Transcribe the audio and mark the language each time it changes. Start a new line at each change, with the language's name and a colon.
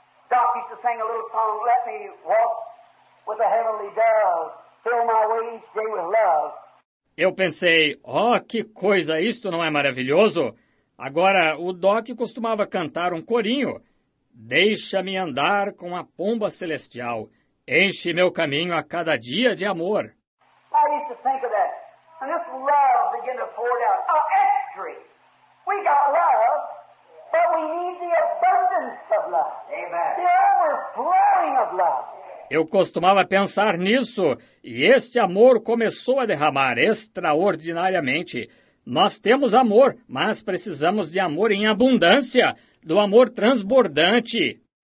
English: Doc used to sing a little song, "Let me walk with a heavenly dove, fill my way each day with love."
Portuguese: Eu pensei, oh, que coisa, isto não é maravilhoso? Agora, o Doc costumava cantar um corinho. Deixa-me andar com a pomba celestial. Enche meu caminho a cada dia de amor.
English: I used to think of that. And this love began to pour down. Oh, extra. We got love, but we need the abundance of love. Amen. The overflowing of love.
Portuguese: Eu costumava pensar nisso, e este amor começou a derramar extraordinariamente. Nós temos amor, mas precisamos de amor em abundância, do amor transbordante.